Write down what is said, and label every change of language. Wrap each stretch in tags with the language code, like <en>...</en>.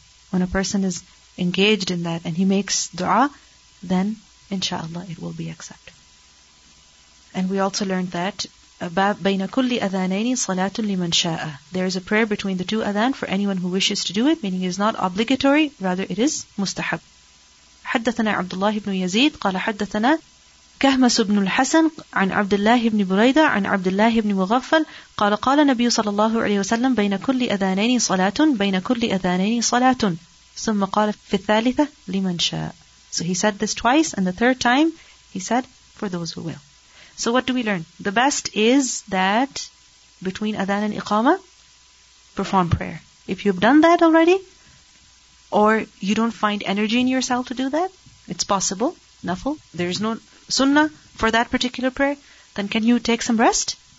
<en>When a person is engaged in that and he makes dua, then inshallah it will be accepted. And we also learned that</en> <ar>بَيْنَ كُلِّ أَذَانَيْنِ صَلَاةٌ لِمَنْ شَاءَ.</ar> <en>There is a prayer between the two adhan for anyone who wishes to do it, meaning it is not obligatory, rather it is mustahab.</en> <ar>حَدَّثَنَا عَبْدُ اللَّهِ بْنُ يَزِيدٍ قَالَ حَدَّثَنَا كهمس بن الحسن عن عبد الله بن بريدة عن عبد الله بن مغفل قال قال النبي صلى الله عليه وسلم بين كل أذانين صلاة بين كل أذانين صلاة ثم قال في الثالثة لمن شاء.</ar> <en>So he said this twice and the third time he said for those who will. So what do we learn? The best is that between adhan and iqamah perform prayer. If you've done that already or you don't find energy in yourself to do that, it's possible, nafl, there's no sunnah for that particular prayer, then can you take some rest?</en>